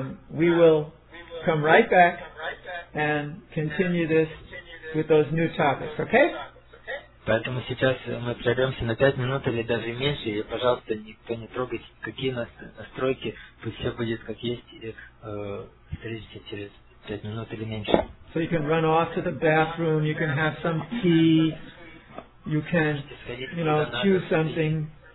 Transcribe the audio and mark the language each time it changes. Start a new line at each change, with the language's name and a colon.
English: We will come right back and continue this with those new topics. Okay?
Russian: Поэтому сейчас мы прервемся на 5 минут или даже меньше, и, пожалуйста, никто не трогайте, какие настройки, пусть все будет как есть, и встретимся через 5 минут или меньше.
English: So you can run off to the bathroom, you can have some tea, you can, you know, chew something,